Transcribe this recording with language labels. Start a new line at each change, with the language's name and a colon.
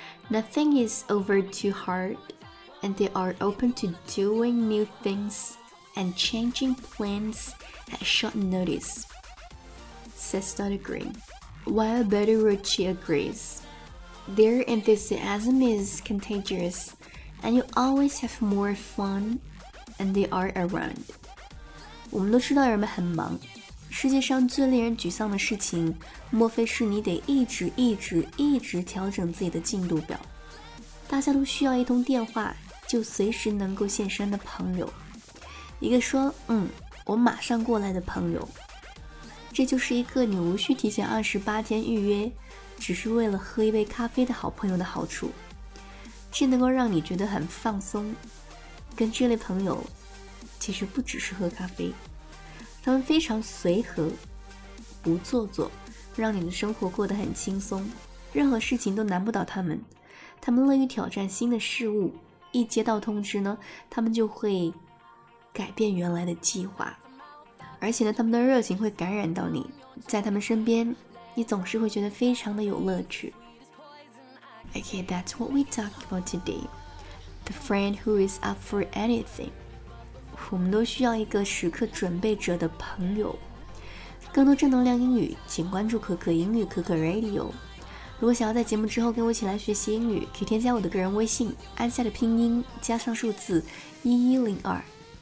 English: Nothing is over too hard, and they are open to doing new things and changing plans at short notice. Says Dr. Green. While Betty Rucci agrees, their enthusiasm is contagious, and you always have more fun. And they are around.
Chinese: 我们都知道人们很忙，世界上最令人沮丧的事情，莫非是你得一直一直一直调整自己的进度表。大家都需要一通电话就随时能够现身的朋友，一个说嗯，我马上过来的朋友。这就是一个你无需提前28天预约，只是为了喝一杯咖啡的好朋友的好处。这能够让你觉得很放松。跟这类朋友其实不只是喝咖啡，他们非常随和，不做作，让你的生活过得很轻松，任何事情都难不倒他们。他们乐于挑战新的事物，一接到通知呢，他们就会改变原来的计划，而且呢，他们的热情会感染到你，在他们身边你总是会觉得非常的有乐趣。
English: Okay, that's what we talk about todayThe friend who is up for anything.
Chinese: 我们都需要一个时刻准备着的朋友。更多正能量英语，请关注可可英语可可 Radio。如果想要在节目之后跟我一起来学习英语，可以添加我的个人微信，按下的拼音加上数字1102。